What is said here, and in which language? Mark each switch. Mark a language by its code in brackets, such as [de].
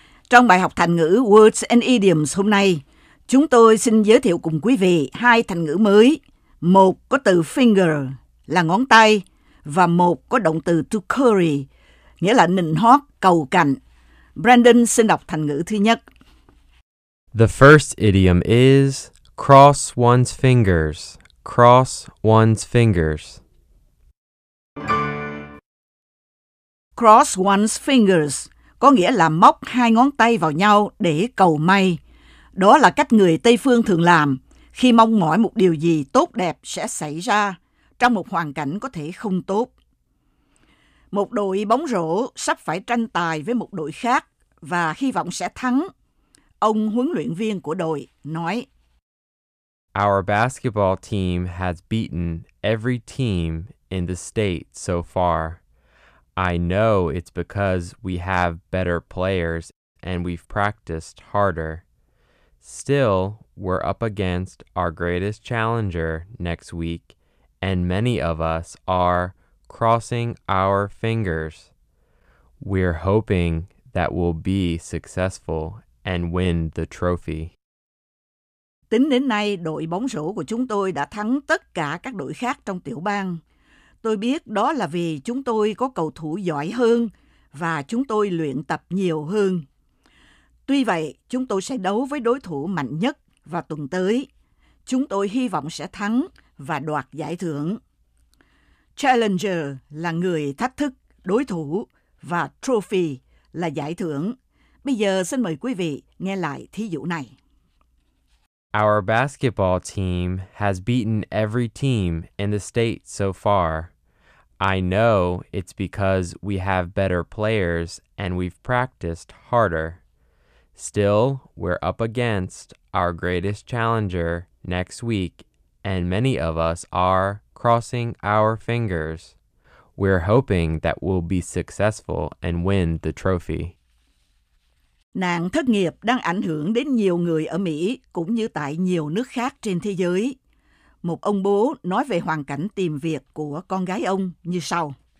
[vi] Trong bài học thành ngữ Words and Idioms hôm nay, chúng tôi xin giới thiệu cùng quý vị hai thành ngữ mới. Một có từ finger là ngón tay và một có động từ to curry, nghĩa là nịnh hót, cầu cạnh. Brandon xin đọc thành ngữ thứ nhất. [en] The first idiom is cross one's fingers, cross one's fingers. Cross one's fingers [vi] có nghĩa là móc hai ngón tay vào nhau để cầu may. Đó là cách người Tây Phương thường làm khi mong mỏi một điều gì tốt đẹp sẽ xảy ra trong một hoàn cảnh có thể không tốt. Một đội bóng rổ sắp phải tranh tài với một đội khác và hy vọng sẽ thắng. Ông huấn luyện viên của đội nói: [en] Our basketball team has beaten every team in the state so far. I know it's because we have better players and we've practiced harder. Still, we're up against our greatest challenger next week, and many of us are crossing our fingers. We're hoping that we'll be successful and win the trophy. [vi] Tính đến nay, đội bóng rổ của chúng tôi đã thắng tất cả các đội khác trong tiểu bang. Tôi biết đó là vì chúng tôi có cầu thủ giỏi hơn và chúng tôi luyện tập nhiều hơn. Tuy vậy, chúng tôi sẽ đấu với đối thủ mạnh nhất vào tuần tới. Chúng tôi hy vọng sẽ thắng và đoạt giải thưởng. Challenger là người thách thức, đối thủ, và trophy là giải thưởng. Bây giờ xin mời quý vị nghe lại thí dụ này. [en] Our basketball team has beaten every team in the state so far. I know it's because we have better players and we've practiced harder. Still, we're up against our greatest challenger next week, and many of us are crossing our fingers. We're hoping that we'll be successful and win the trophy. [vi] Nạn thất nghiệp đang ảnh hưởng đến nhiều người ở Mỹ cũng như tại nhiều nước khác trên thế giới. Một ông bố nói về hoàn cảnh tìm việc của con gái ông như sau.